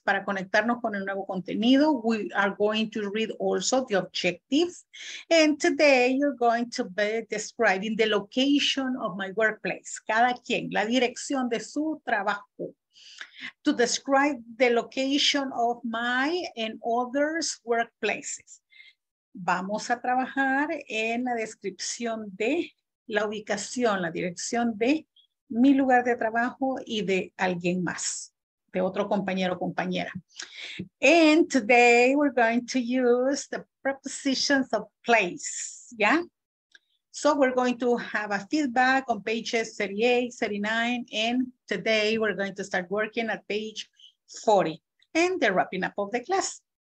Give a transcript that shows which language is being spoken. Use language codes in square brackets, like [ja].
[es] Para conectarnos con el nuevo contenido, [en] we are going to read also the objectives. And today you're going to be describing the location of my workplace. [es] Cada quien, la dirección de su trabajo. [en] To describe the location of my and others' workplaces. [es] vamos a trabajar en la descripción de la ubicación, la dirección de mi lugar de trabajo y de alguien más, de otro compañero o compañera. [en] And today we're going to use the prepositions of place, yeah? So we're going to have a feedback on pages 38, 39, and today we're going to start working at page 40 and the wrapping up of the class.